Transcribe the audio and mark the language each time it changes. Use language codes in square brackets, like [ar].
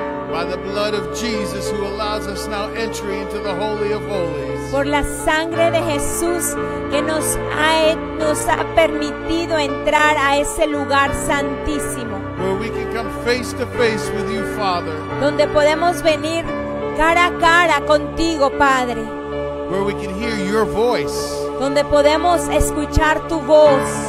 [en] By the blood of Jesus, who allows us now entry into the Holy of Holies. [es] Por la sangre de Jesús que nos ha permitido entrar a ese lugar santísimo. [en] Where we can come face to face with you, Father. [es] Donde podemos venir cara a cara contigo, Padre. [en] Where we can hear your voice. [es] Donde podemos escuchar tu voz.